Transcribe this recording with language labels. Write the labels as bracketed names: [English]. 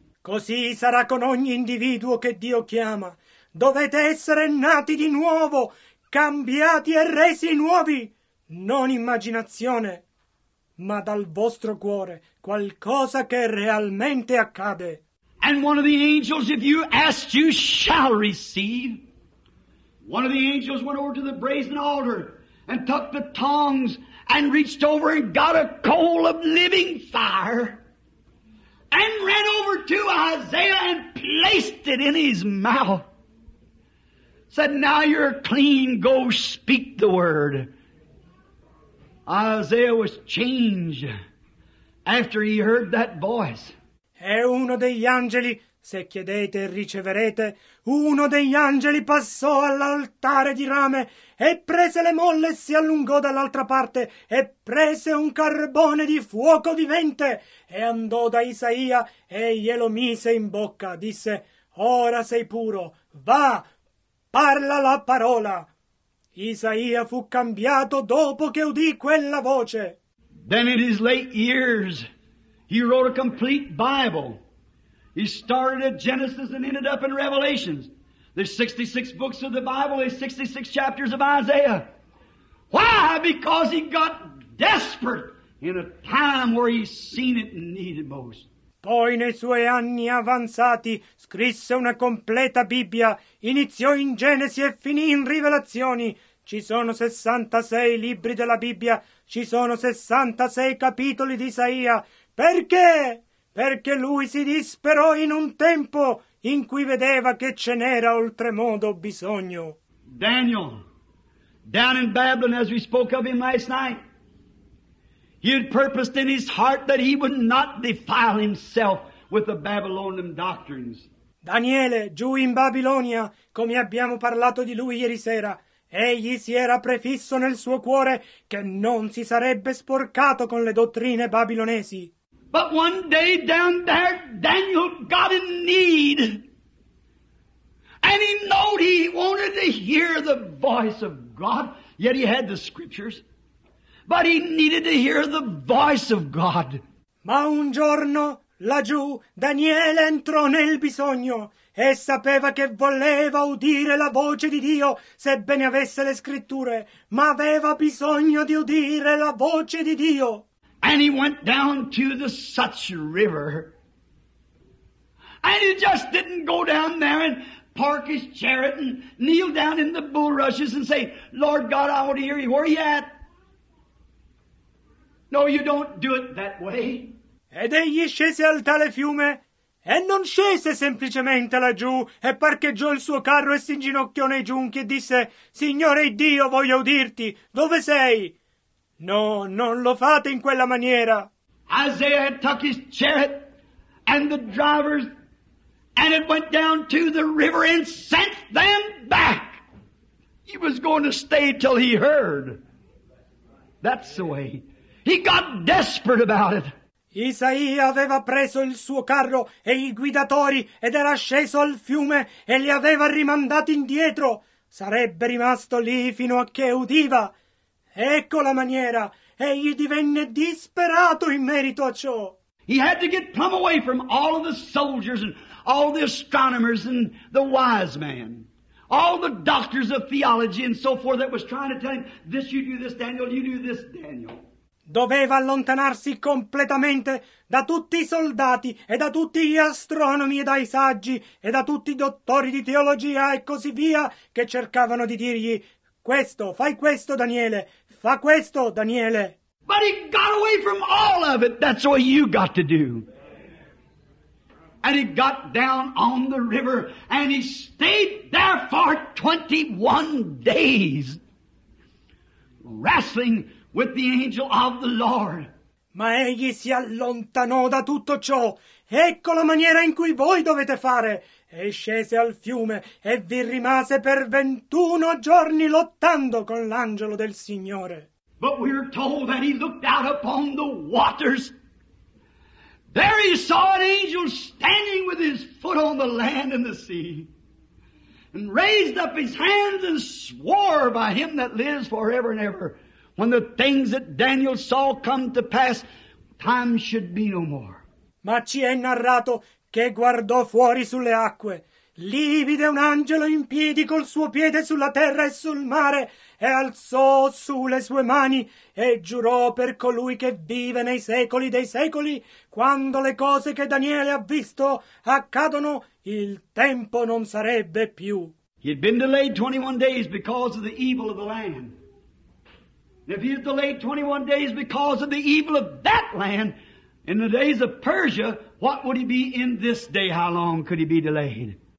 [Italian] Così sarà con ogni individuo che Dio chiama. Dovete essere nati di nuovo, cambiati e resi nuovi. Non immaginazione, ma dal vostro cuore, qualcosa che realmente accade. [English] And one of the angels, if you ask, you shall receive. One of the angels went over to the brazen altar and took the tongs and reached over and got a coal of living fire and ran over to Isaiah and placed it in his mouth. Said, now you're clean, go speak the word. Isaiah was changed after he heard that voice. [Italian] E uno degli angeli, se chiedete e riceverete, uno degli angeli passò all'altare di rame e prese le molle e si allungò dall'altra parte e prese un carbone di fuoco vivente e andò da Isaia e glielo mise in bocca. Disse, ora sei puro, va, parla la parola. Isaia fu cambiato dopo che udì quella voce. [English] Then in his late years, he wrote a complete Bible. He started at Genesis and ended up in Revelations. There's 66 books of the Bible, there's 66 chapters of Isaiah. Why? Because he got desperate in a time where he seen it and needed most. [Italian] Poi nei suoi anni avanzati scrisse una completa Bibbia, iniziò in Genesi e finì in Rivelazioni. Ci sono 66 libri della Bibbia, ci sono 66 capitoli di Isaia. Perché? Perché lui si disperò in un tempo in cui vedeva che ce n'era oltremodo bisogno. [English] Daniel, down in Babylon, as we spoke of him last night, he had purposed in his heart that he would not defile himself with the Babylonian doctrines. [Italian] Daniele, giù in Babilonia, come abbiamo parlato di lui ieri sera, egli si era prefisso nel suo cuore che non si sarebbe sporcato con le dottrine babilonesi. [English] But one day down there, Daniel got in need. And he knowed he wanted to hear the voice of God, yet he had the scriptures. But he needed to hear the voice of God. [Italian] Ma un giorno, laggiù, Daniele entrò nel bisogno e sapeva che voleva udire la voce di Dio, sebbene avesse le scritture, ma aveva bisogno di udire la voce di Dio. [English] And he went down to the Such River. And he just didn't go down there and park his chariot and kneel down in the bulrushes and say, Lord God, I want to hear you. Where are you at? No, you don't do it that way. [Italian] Ed egli scese al tale fiume e non scese semplicemente laggiù e parcheggiò il suo carro e si inginocchiò nei giunchi e disse, Signore Dio, voglio udirti. Dove sei? No, non lo fate in quella maniera. [English] Isaiah had took his chariot and the drivers and it went down to the river and sent them back. He was going to stay till he heard. That's the way. He got desperate about it. [Italian] Isaia aveva preso il suo carro e i guidatori ed era sceso al fiume e li aveva rimandati indietro. Sarebbe rimasto lì fino a che udiva. Ecco la maniera. Egli divenne disperato in merito a ciò. [English] He had to get plumb away from all of the soldiers and all the astronomers and the wise men. All the doctors of theology and so forth that was trying to tell him, this you do this, Daniel, you do this, Daniel. [Italian] Doveva allontanarsi completamente da tutti i soldati e da tutti gli astronomi e dai saggi e da tutti i dottori di teologia e così via che cercavano di dirgli questo, fai questo, Daniele, fa questo, Daniele. [English] But he got away from all of it. That's what you got to do. And he got down on the river and he stayed there for 21 days wrestling with the angel of the Lord. [Italian] Ma egli si allontanò da tutto ciò. Ecco la maniera in cui voi dovete fare. e scese al fiume e vi rimase per 21 giorni lottando con l'angelo del Signore. [English] But we're told that he looked out upon the waters. There he saw an angel standing with his foot on the land and the sea, and raised up his hands and swore by him that lives forever and ever, when the things that Daniel saw come to pass, time should be no more. [Italian] Ma ci è narrato che guardò fuori sulle acque. Lì vide un angelo in piedi col suo piede sulla terra e sul mare, e alzò su le sue mani e giurò per colui che vive nei secoli dei secoli: quando le cose che Daniele ha visto accadono, il tempo non sarebbe più. [English] He had been delayed 21 days because of the evil of the land. If he had delayed 21 days because of the evil of that land in the days of Persia, what would he be in this day? How long could he be delayed?